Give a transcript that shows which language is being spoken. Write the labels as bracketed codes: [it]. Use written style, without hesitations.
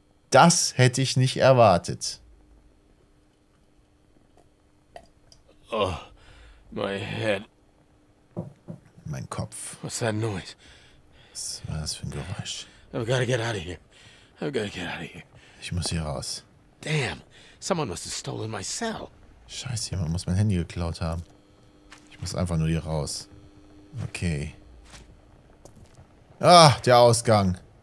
[de] Das hätte ich nicht erwartet. Oh, [en] My head. [de] Mein Kopf. [en] What's that noise? [de] Was war das für ein Geräusch? [en] I've got to get out of here. I've got to get out of here. [de] Ich muss hier raus. [en] Damn, someone must have stolen my cell. [de] Scheiße, jemand muss mein Handy geklaut haben. Ich muss einfach nur hier raus. Okay. Ah, der Ausgang.